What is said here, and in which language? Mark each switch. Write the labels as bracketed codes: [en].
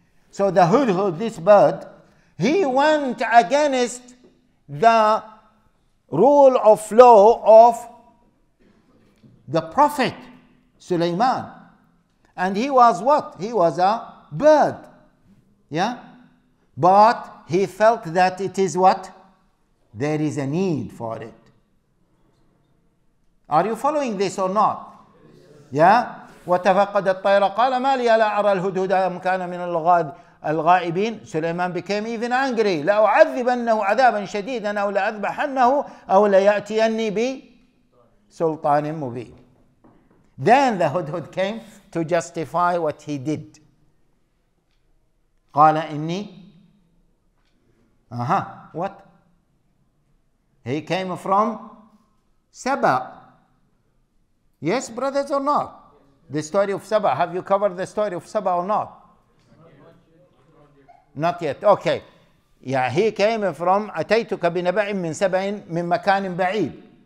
[en] So the hudhud, this bird, he went against the rule of law of the prophet Sulaiman. And he was what? He was a bird. Yeah? But he felt that it is what? There is a need for it. Are you following this or not? Yeah? [ar] وتفقد الطير قال ما لي لا أرى الهدهد أم كان من الغائبين. [en] Sulaiman became even angry. [ar] لأعذبنه عذابا شديدا أو لأذبحنه أو ليأتيني بسلطان مبين. [en] Then the hudhud came to justify what he did. [ar] قال إني أها. [en] What? He came from Sabah. Yes, brothers or not? The story of Sabah. Have you covered the story of Sabah or not? Not yet. Okay. Yeah, he came from [ar] أتيتك بنبأ من سبأ من مكان بعيد.